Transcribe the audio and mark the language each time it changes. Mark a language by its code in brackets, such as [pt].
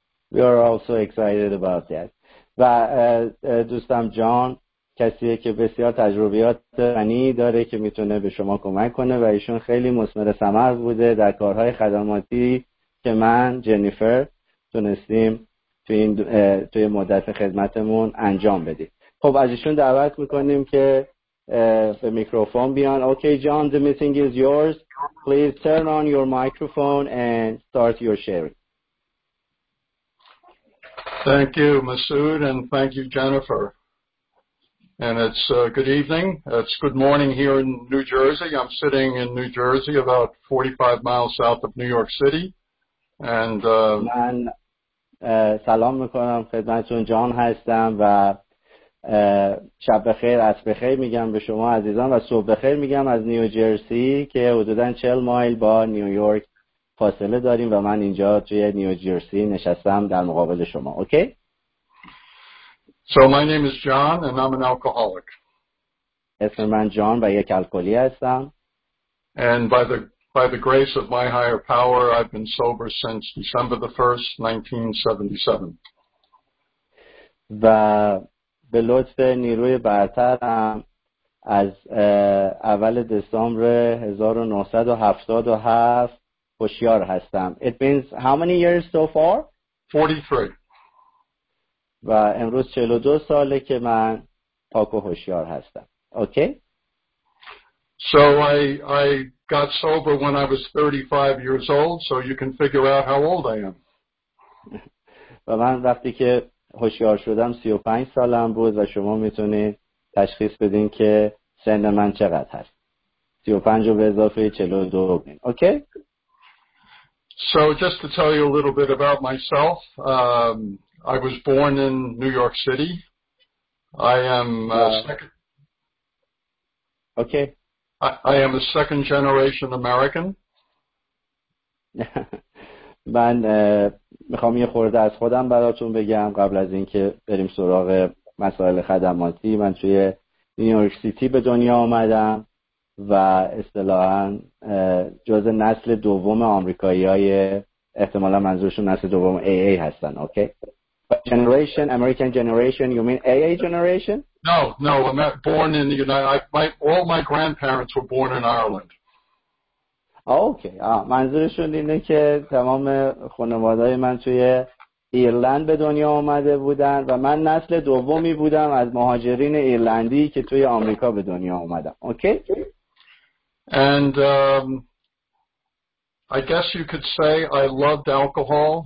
[en] We are also excited about that. [fa] و دوستم جان کسیه که بسیار تجربیات غنی داره که میتونه به شما کمک کنه و ایشون خیلی مثمر ثمر بوده در کارهای خدماتی که من جنیفر تونستیم توی مدت خدمتمون انجام بدیم. خب از ایشون دعوت میکنیم که به میکروفون بیان. [en] Okay جان، the meeting is yours. Please turn on your microphone and start your sharing. Thank you, Masood, and thank you, Jennifer. And it's good evening. It's good morning here in New Jersey. I'm sitting in New Jersey, about 45 miles south of New York City. And [fa] من سلام میکنم خدمتتون. جان هستم و شب بخیر، عصر بخیر میگم به شما عزیزان و صبح بخیر میگم از نیو جرسی که حدوداً 40 مایل با نیویورک فاصله داریم و من اینجا توی نیو جرسی نشستم در مقابل شما. اوکی؟ [en] So my name is John and I'm an alcoholic. [fa] اسم من جان و یک الکلی هستم. [en] And by the grace of my higher power I've been sober since December the 1st, 1977. [fa] و به لطف نیروی برترم از اول دسامبر 1977 هوشیار هستم. [en] It means how many years so far? 43. [fa] و امروز 42 ساله که من پاک و هوشیار هستم. [en] Okay? So I got sober when I was 35 years old, so you can figure out how old I am. [fa] و من وقتی که هوشیار شدم 35 سالم بود و شما میتونید تشخیص بدین که سن من چقدر هست. 35 به اضافه 42. Okay? [en] So just to tell you a little bit about myself, I was born in New York City. I am a second generation American. [fa] من میخوام یه خورده از خودم براتون بگم قبل از اینکه بریم سراغ مسائل خدماتی. من توی نیویورک سیتی به دنیا اومدم و اصطلاحاً جز نسل دوم آمریکایی‌های احتمالاً منظورشون نسل دوم AA هستن. [en] Okay? okay? generation American generation you mean AA generation? No, I'm not born in the United. All my grandparents were born in Ireland. [fa] اوکی. آ منظورشون اینه که تمام خانواده‌های من توی ایرلند به دنیا اومده بودن و من نسل دومی بودم از مهاجرین ایرلندی که توی آمریکا به دنیا اومدم. اوکی؟ okay? [en] And I guess you could say I loved alcohol.